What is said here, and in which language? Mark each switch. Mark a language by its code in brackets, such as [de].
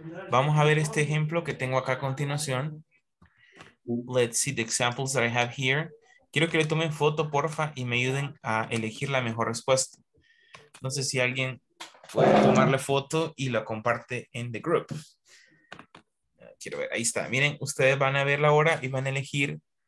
[es] Vamos a ver este ejemplo que tengo acá a continuación. [en] Let's see the examples that I have here. [es] Quiero que le tomen foto, porfa, y me ayuden a elegir la mejor respuesta. No sé si alguien puede tomarle foto y la comparte en [en] the group. [es] Quiero ver, ahí está. Miren, ustedes van a ver la hora y van a elegir.